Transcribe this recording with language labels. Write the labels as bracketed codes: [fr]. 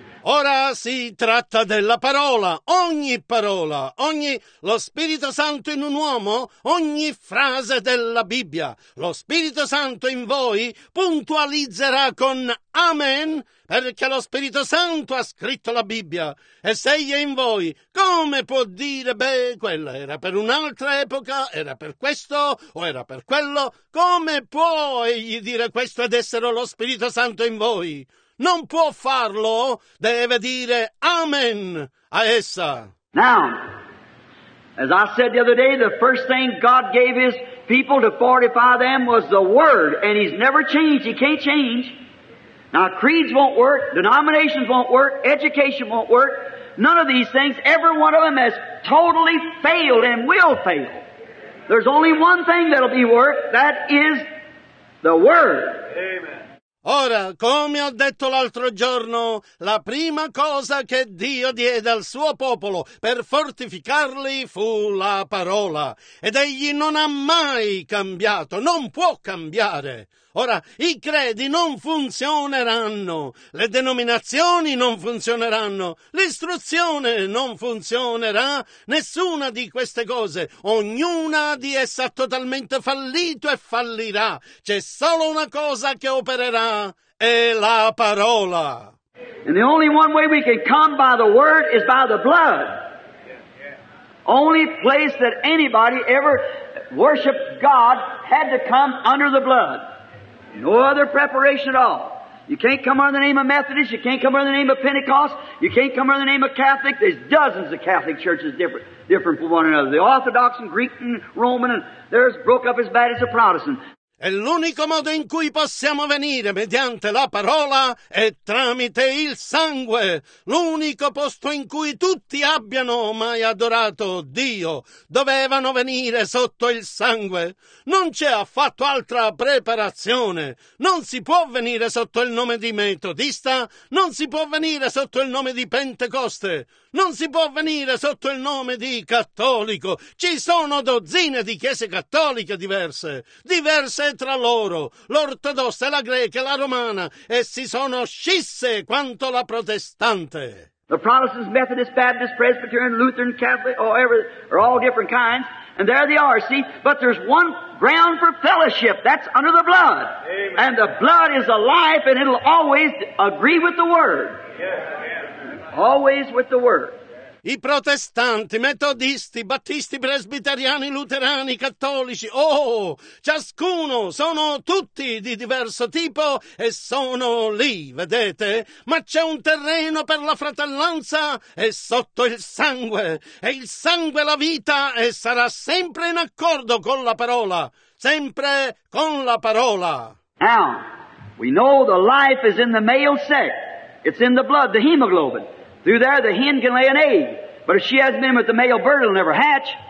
[it] Ora si tratta della parola, ogni parola, ogni lo Spirito Santo in un uomo, ogni frase della Bibbia, lo Spirito Santo in voi puntualizzerà con amen, perché lo Spirito Santo ha scritto la Bibbia, e se egli è in voi, come può dire, beh, quella era per un'altra epoca, era per questo o era per quello, come può egli dire questo ed essere lo Spirito Santo in voi? Non può farlo, deve dire amen a essa. [en] Now, as I said the other day, the first thing God gave his people to fortify them was the word, and he's never changed, he can't change. Now, creeds won't work, denominations won't work, education won't work, none of these things, every one of them has totally failed and will fail. There's only one thing that'll be work, that is the word. Amen. [it] Ora, come ho detto l'altro giorno, la prima cosa che Dio diede al suo popolo per fortificarli fu la parola. Ed egli non ha mai cambiato, non può cambiare. Ora, i credi non funzioneranno, le denominazioni non funzioneranno, l'istruzione non funzionerà, nessuna di queste cose, ognuna di esse ha totalmente fallito e fallirà. C'è solo una cosa che opererà, è la parola. [en] And the only one way we can come by the word is by the blood. Only place that anybody ever worshiped God had to come under the blood. No other preparation at all. You can't come under the name of Methodist. You can't come under the name of Pentecost. You can't come under the name of Catholic. There's dozens of Catholic churches different from one another. The Orthodox and Greek and Roman, and there's broke up as bad as the Protestant. [it] E l'unico modo in cui possiamo venire mediante la parola è tramite il sangue. L'unico posto in cui tutti abbiano mai adorato Dio dovevano venire sotto il sangue. Non c'è affatto altra preparazione. Non si può venire sotto il nome di metodista, non si può venire sotto il nome di pentecoste. Non si può venire sotto il nome di cattolico. Ci sono dozzine di chiese cattoliche diverse. Diverse tra loro. L'ortodossa, la greca, la romana. E si sono scisse quanto la protestante. [en] The Protestants, Methodists, Baptists, Presbyterian, Lutheran, Catholic, or every, are all different kinds. And there they are, see. But there's one ground for fellowship. That's under the blood. Amen. And the blood is alive and it'll always agree with the word. Yes. Always with the word. [it] I protestanti, metodisti, battisti, presbiteriani, luterani, cattolici, oh, ciascuno, sono tutti di diverso tipo e sono lì, vedete? Ma c'è un terreno per la fratellanza e sotto il sangue, e il sangue la vita e sarà sempre in accordo con la parola, sempre con la parola. [en] Now, we know the life is in the male sex. It's in the blood, the hemoglobin. Through there, the hen can lay an egg. But if she hasn't been with the male bird, it'll never hatch.